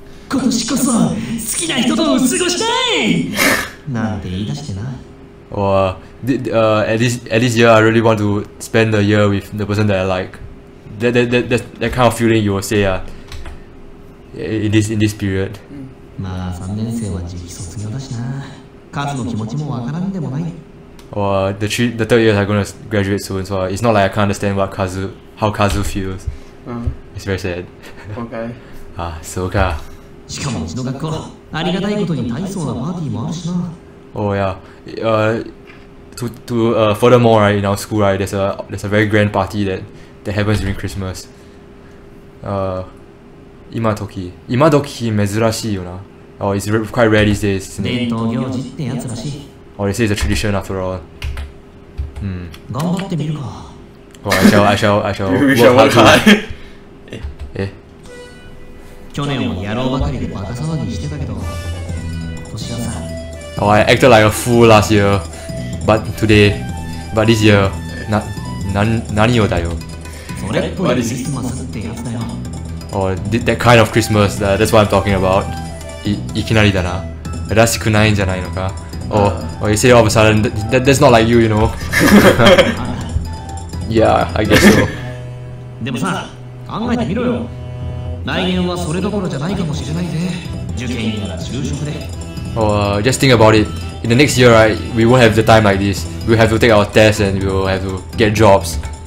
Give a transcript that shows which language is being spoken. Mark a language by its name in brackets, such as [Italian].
[Japanese] 今年こそ好きな人と過ごしたい! なんて言い出してな。 [English] Oh, at least year, I really want to spend the year with the person that I like. That kind of feeling you will say, in this period. [Japanese] まあ、3年生は時期卒業だしな。数の気持ちもわからんでもない。 [English] Or the third years are going to graduate soon, so it's not like I can't understand how Kazu feels. It's very sad. Okay. [Japanese] Ah, so か。しかもうちの学校、ありがたいことに大層なパーティーもあるしな。 [English] Oh yeah. Furthermore, right, in our school, right, there's a very grand party that happens during Christmas. [Japanese] 今時珍しいよな。 [English] Oh, it's quite rare these days. [Japanese] 伝統行事ってやつらしい。 [English] Oh, this is a tradition after all. [Japanese] 頑張ってみるか。 [English] Oh, I shall work hard. [Japanese] 去年も野郎ばかりでバカ騒ぎしてたけど、今年はさ。 [English] Oh, I acted like a fool last year. But this year, [Japanese] 何をだよ。それっぽいクリスマスってやつだよ。 [English] Oh, that kind of Christmas, that's what I'm talking about. [Japanese] いきなりだな。らしくないんじゃないのか。 [English] Oh, you say all of a sudden, that's not like you, you know? Yeah, I guess so. [Japanese] でもさ、考えてみろよ。来年はそれどころじゃないかもしれないぜ。受験なら就職で。 [English] Just think about it. In the next year, right, we won't have the time like this. We'll have to take our tests and we'll have to get jobs.